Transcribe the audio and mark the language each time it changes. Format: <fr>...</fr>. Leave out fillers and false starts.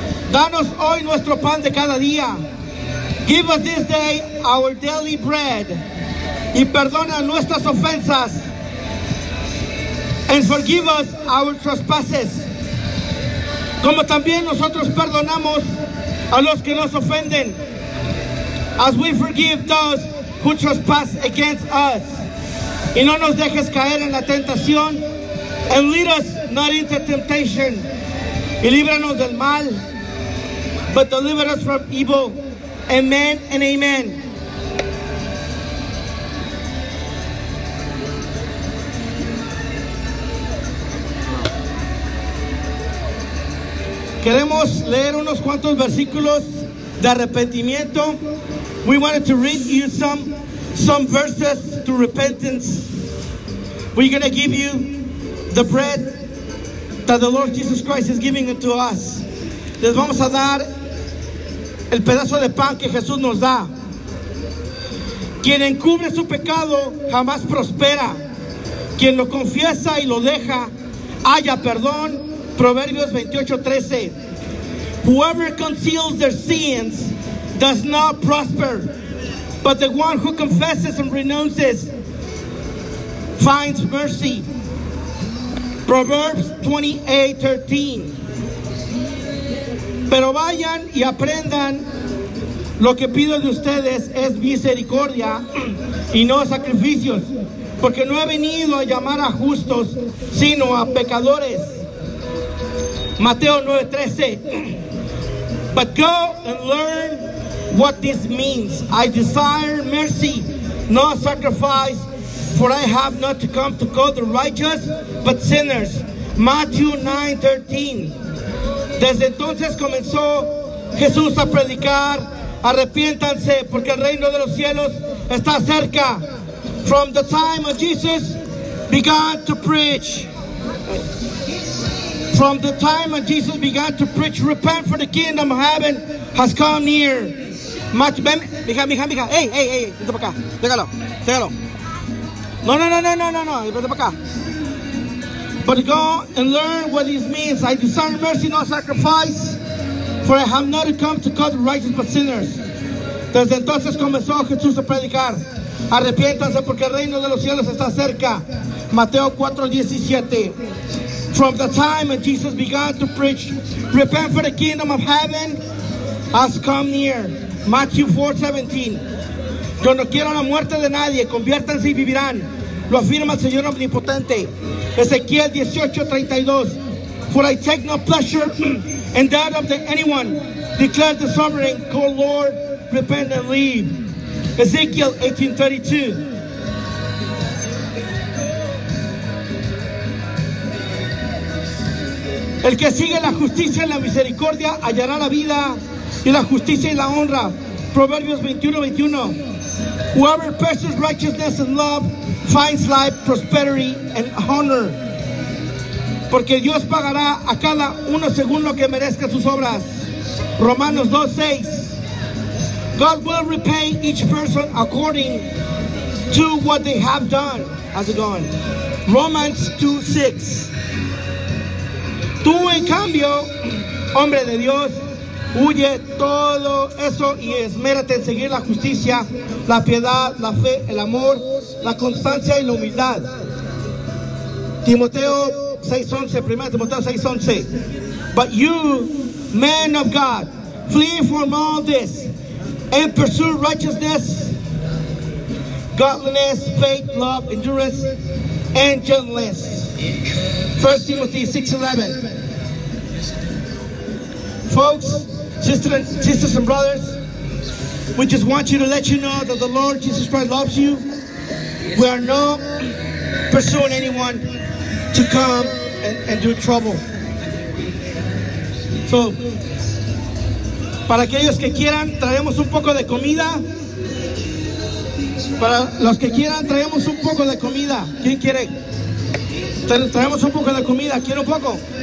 <es>Danos hoy nuestro pan de cada día.</es> <en>Give us this day our daily bread.</en> <es>Y perdona nuestras ofensas.</es> <en>And forgive us our trespasses.</en> <es>Como también nosotros perdonamos a los que nos ofenden.</es> <en>As we forgive those who trespass against us.</en> <es>Y no nos dejes caer en la tentación.</es> <en>And lead us not into temptation.</en> <es>Y líbranos del mal.</es> <en>But deliver us from evil. Amen and amen.</en> <es>Queremos leer unos cuantos versículos de arrepentimiento.</es> <en>We wanted to read you some verses to repentance. We're going to give you the bread that the Lord Jesus Christ is giving unto us.</en> <es>Les vamos a dar el pedazo de pan que Jesús nos da. Quien encubre su pecado jamás prospera. Quien lo confiesa y lo deja, haya perdón. Proverbios 28:13.</es> <en>Whoever conceals their sins does not prosper, but the one who confesses and renounces finds mercy. Proverbs 28:13.</en> <es>Pero vayan y aprendan. Lo que pido de ustedes es misericordia y no sacrificios, porque no he venido a llamar a justos, sino a pecadores.</es> <en>Mateo 9:13. But go and learn what this means. I desire mercy, not sacrifice, for I have not come to call the righteous, but sinners. Matthew 9:13.</en> <es>Desde entonces comenzó Jesús a predicar, arrepiéntanse, porque el reino de los cielos está cerca.</es> <en>From the time of Jesus began to preach. From the time of Jesus began to preach, repent for the kingdom of heaven has come near.</en> <es>Mija, hey, vente para acá. Déjalo. No, vente para acá.</es> <en>But go and learn what this means. I desire mercy, not sacrifice, for I have not come to call the righteous but sinners.</en> <es>Desde entonces comenzó Jesús a predicar. Arrepiéntanse porque el reino de los cielos está cerca. Mateo 4:17.</es> <en>From the time that Jesus began to preach, repent for the kingdom of heaven has come near. Matthew 4:17.</en> <es>Yo no quiero la muerte de nadie, conviértanse y vivirán. Lo afirma el Señor Omnipotente. Ezequiel 18:32.</es> <en>For I take no pleasure in that of anyone, declares the sovereign, call Lord, repent and leave. Ezekiel 18:32.</en> <es>El que sigue la justicia y la misericordia hallará la vida y la justicia y la honra.</es> <en>Proverbios 21:21. Whoever pursues righteousness and love finds life, prosperity and honor.</en> <es>Porque Dios pagará a cada uno según lo que merezca sus obras. Romanos 2:6.</es> <en>God will repay each person according to what they have done. How's it going? Romans 2:6.</en> <es>Tú, en cambio, hombre de Dios, huye todo eso y esmérate en seguir la justicia, la piedad, la fe, el amor, la constancia y la humildad. Timoteo 6:11, 1 Timoteo 6:11.</es> <en>But you, men of God, flee from all this and pursue righteousness, godliness, faith, love, endurance, and gentleness. 1 Timothy 6:11. Folks, sisters and brothers, we just want you to let you know that the Lord Jesus Christ loves you. We are not pursuing anyone to come and do trouble.</en> <es>So, para aquellos que quieran, traemos un poco de comida. Para los que quieran, traemos un poco de comida. ¿Quién quiere? Traemos un poco de comida. ¿Quiere un poco?</es>